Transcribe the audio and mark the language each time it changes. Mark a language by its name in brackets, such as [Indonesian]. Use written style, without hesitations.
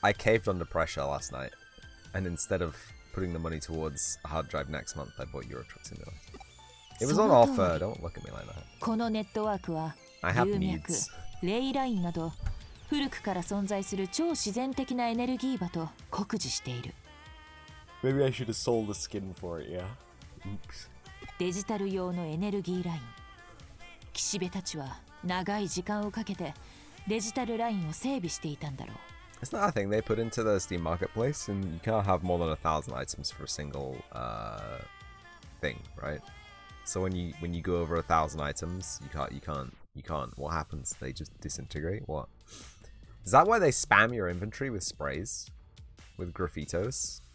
[English] I caved under pressure last night, and instead of putting the money towards a hard drive next month, I bought Euro Truck Simulator. It was on offer. Don't look at me like that. [Japanese] このネットワークは、 [English] I have needs. [Japanese] レイラインなど、古くから存在する超自然的なエネルギー場と酷似している。 [English] Maybe I should have sold the skin for it, yeah? Oops. [Japanese] デジタル用のエネルギーライン。岸辺たちは長い時間をかけてデジタルラインを整備していたんだろう。 [English] It's not a thing they put into the Steam Marketplace, and you can't have more than 1,000 items for a single thing, right? So when you go over 1,000 items, you can't. What happens? They just disintegrate. What? Is that why they spam your inventory with sprays, with graffitos?